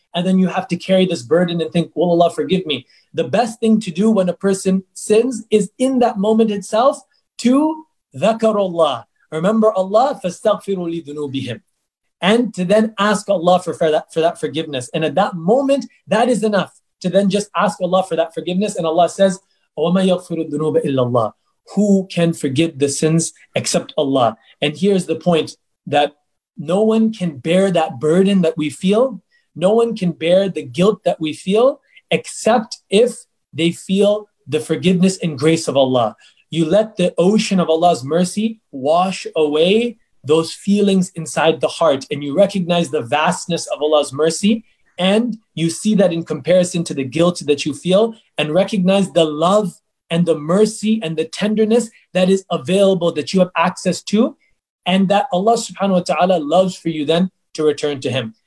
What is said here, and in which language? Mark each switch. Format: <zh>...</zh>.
<en>And then you have to carry this burden and think, will Allah forgive me? The best thing to do when a person sins is in that moment itself to dhakarullah. Remember Allah, fastaghfiru li dhunubihim. And to then ask Allah for that forgiveness. And at that moment, that is enough to then just ask Allah for that forgiveness. And Allah says,</en> <ar>وَمَا يَغْفِرُ الدُّنُوبَ إِلَّا اللَّهِ.</ar> <en>Who can forgive the sins except Allah? And here's the point, that no one can bear that burden that we feel. No one can bear the guilt that we feel, except if they feel the forgiveness and grace of Allah. You let the ocean of Allah's mercy wash away those feelings inside the heart, and you recognize the vastness of Allah's mercy, and you see that in comparison to the guilt that you feel, and recognize the love and the mercy and the tenderness that is available, that you have access to, and that Allah subhanahu wa ta'ala loves for you then to return to Him.</en>